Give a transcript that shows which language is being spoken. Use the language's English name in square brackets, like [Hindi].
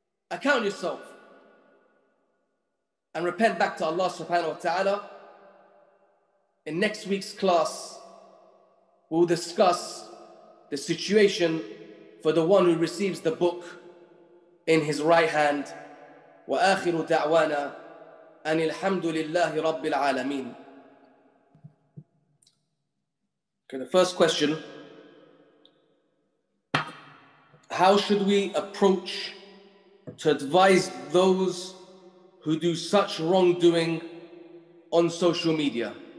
[English] Account yourself and repent back to Allah subhanahu wa ta'ala. In next week's class, we'll discuss the situation for the one who receives the book in his right hand. [Arabic] وآخر دعوانا أن الحمد لله رب العالمين. [English] Okay, the first question: how should we approach to advise those who do such wrongdoing on social media?